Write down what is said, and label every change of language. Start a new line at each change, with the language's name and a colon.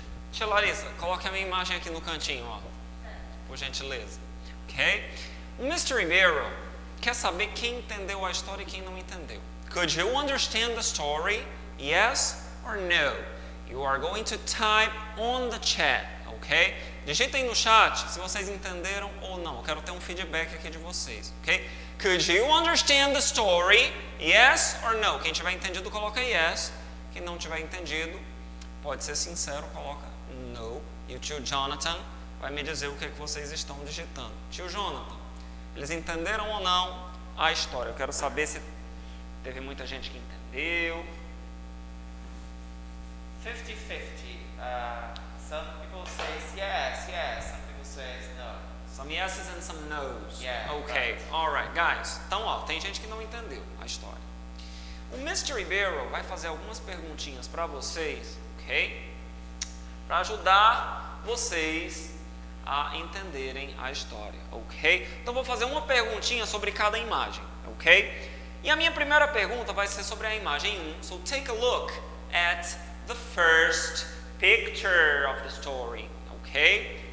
Portuguese: Tia Larissa, coloque a minha imagem aqui no cantinho, ó. Por gentileza. Okay? Mr. Ribeiro quer saber quem entendeu a história e quem não entendeu.
English: Could you understand the story? Yes or no? You are going to type on the chat, ok?
Portuguese: Digita aí no chat se vocês entenderam ou não. Eu quero ter um feedback aqui de vocês, ok?
English: Could you understand the story? Yes or no?
Portuguese: Quem tiver entendido, coloca yes. Quem não tiver entendido, pode ser sincero, coloca no. E o tio Jonathan vai me dizer o que, é que vocês estão digitando. Tio Jonathan. Eles entenderam ou não a história? Eu quero saber se teve muita gente que entendeu.
English: 50-50. Some people say yes, yes. Some people say no. Some yeses and some noes. Yeah, okay, right. All right, guys.
Portuguese: Então, ó, tem gente que não entendeu a história. O Mr. Ribeiro vai fazer algumas perguntinhas para vocês, ok? Para ajudar vocês a entenderem a história, ok? Então vou fazer uma perguntinha sobre cada imagem, ok? E a minha primeira pergunta vai ser sobre a imagem 1.
English: So take a look at the first picture of the story, ok?